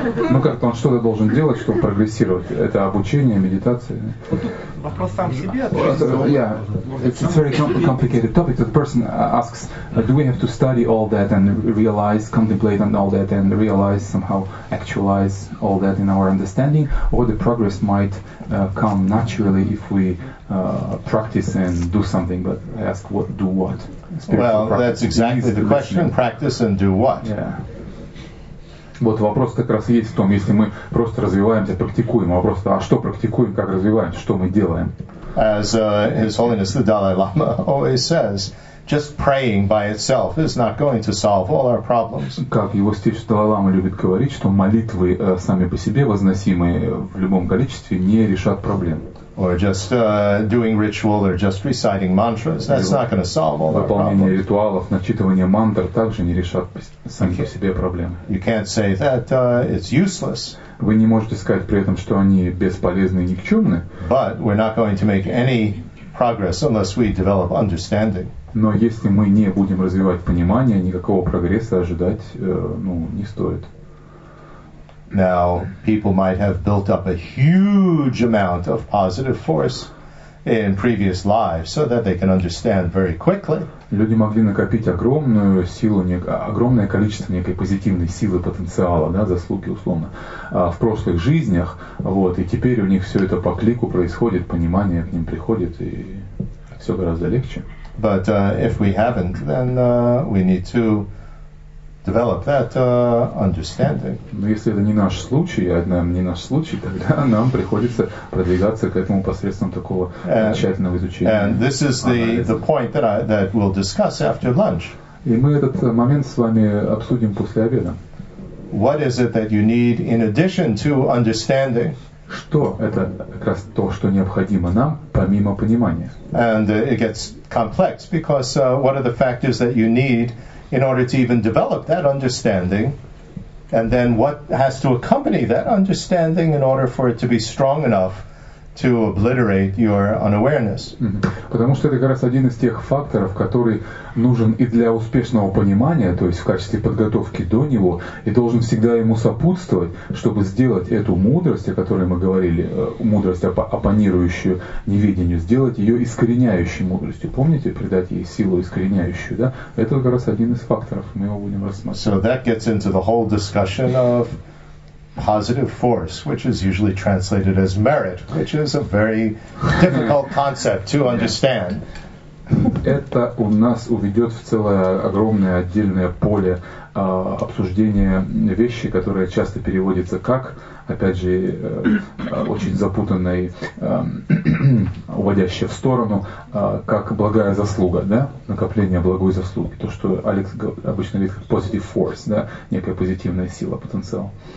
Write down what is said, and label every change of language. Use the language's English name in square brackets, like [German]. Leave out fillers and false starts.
[Russian] Ну, как-то он что-то должен делать, чтобы прогрессировать? Это обучение, медитация? Вопрос сам себе. [English] Yeah, it's a very complicated topic. The person asks, do we have to study all that and realize, contemplate on all that and realize, somehow actualize all that in our understanding, or the progress might come naturally if we practice and do something, but I ask, what do what? Well, that's exactly the question, practice and do what? Yeah. [Russian] Вот вопрос как раз есть в том, если мы просто развиваемся, практикуем, вопрос, а что практикуем, как развиваем, что мы делаем? [English] As His Holiness the Dalai Lama always says, just praying by itself is not going to solve all our problems. [Russian] Как его стих Дала Лама любит говорить, что молитвы сами по себе, возносимые в любом количестве, не решат проблем. [English] Or just doing ritual or just reciting mantras, that's not going to solve all our problems. [Russian] Выполнение ритуалов, начитывание мантр также не решат сами по себе проблемы. [English] You can't say that it's useless. [Russian] Вы не можете сказать при этом, что они бесполезны и никчемны. [English] But we're not going to make any progress unless we develop understanding. [Russian] Но если мы не будем развивать понимание, никакого прогресса ожидать, ну, не стоит. [English] Now, people might have built up a huge amount of positive force in previous lives so that they can understand very quickly. [Russian] Люди могли накопить огромную силу, огромное количество некой позитивной силы, потенциала, да, заслуги условно, в прошлых жизнях, вот, и теперь у них все это по клику происходит, понимание к ним приходит, и все гораздо легче. [English] But if we haven't, then we need to develop that understanding. [Russian] Но если это не наш случай, тогда нам приходится продвигаться к этому посредством такого тщательного изучения. [English] And this is the point that we'll discuss after lunch. [Russian] И мы этот момент с вами обсудим после обеда. [English] What is it that you need in addition to understanding? [Russian] Что это как раз то, что необходимо нам, помимо понимания? [English] And it gets complex because what are the factors that you need in order to even develop that understanding? And then what has to accompany that understanding in order for it to be strong enough to obliterate your unawareness? Mm-hmm. [Russian] Потому что это как раз один из тех факторов, который нужен и для успешного понимания, то есть в качестве подготовки до него, и должен всегда ему сопутствовать, чтобы сделать эту мудрость, о которой мы говорили, мудрость, оппонирующую неведению, сделать ее искореняющей мудростью. Помните, придать ей силу искореняющую, да? Это как раз один из факторов, мы его будем рассматривать. [English] So that gets into the whole discussion of positive force, which is usually translated as merit, which is a very difficult concept to understand. [Russian] Это у нас уведет в целое огромное отдельное поле обсуждения вещи, которая часто переводится как, опять же, очень запутанная, уводящая в сторону, как благая заслуга, да, накопление благой заслуги, то, что Алекс обычно говорит, как [English] positive force, [Russian] да, некая позитивная сила, потенциал.